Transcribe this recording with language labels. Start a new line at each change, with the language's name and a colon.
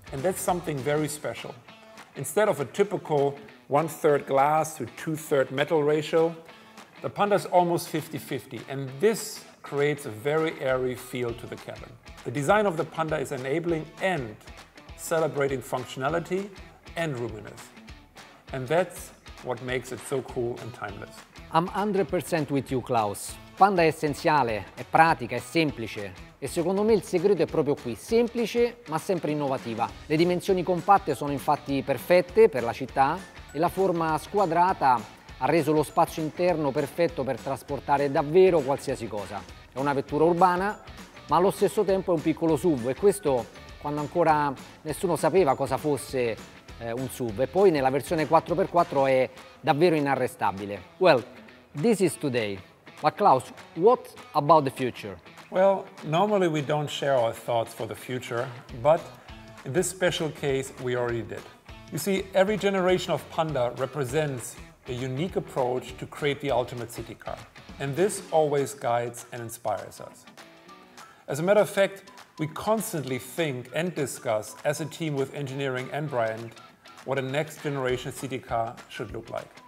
English: And that's something very special. Instead of a typical 1/3 glass to 2/3 metal ratio, the Panda is almost 50-50, and this creates a very airy feel to the cabin. The design of the Panda is enabling and celebrating functionality and roominess. And that's what makes it so cool and timeless. I'm 100% with you,
Italian: Klaus. Panda è essenziale, è pratica, è semplice. E secondo me il segreto è proprio qui, semplice ma sempre innovativa. Le dimensioni compatte sono infatti perfette per la città e la forma squadrata ha reso lo spazio interno perfetto per trasportare davvero qualsiasi cosa. È una vettura urbana, ma allo stesso tempo è un piccolo SUV e questo quando ancora nessuno sapeva cosa fosse un SUV. E poi nella versione 4x4 è davvero inarrestabile.
English: Well, this is today. But Klaus, what about the future? Well, normally we don't share our thoughts for the future, but in this special case, we already did. You see, every generation of Panda represents a unique approach to create the ultimate city car. And this always guides and inspires us. As a matter of fact, we constantly think and discuss as a team with engineering and brand what a next generation city car should look like.